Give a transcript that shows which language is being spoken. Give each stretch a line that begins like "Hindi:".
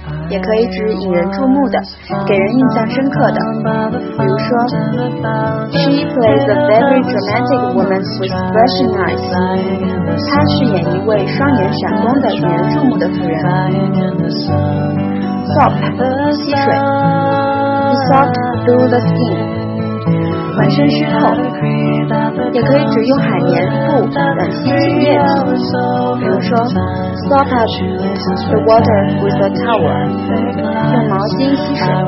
Chinese: 也可以指引人注目的，给人印象深刻的。比如说
English: She plays a very dramatic woman with flashing eyes.
Chinese: 她饰演一位双眼闪光的引人注目的妇人。
English: Sop,
Chinese: 吸水。
English: He sopped through the skin.
Chinese: 浑身湿透。也可以指用海绵、布等吸湿液体，比如说 ，
English: sop up the water with a towel，
Chinese: 用毛巾吸水。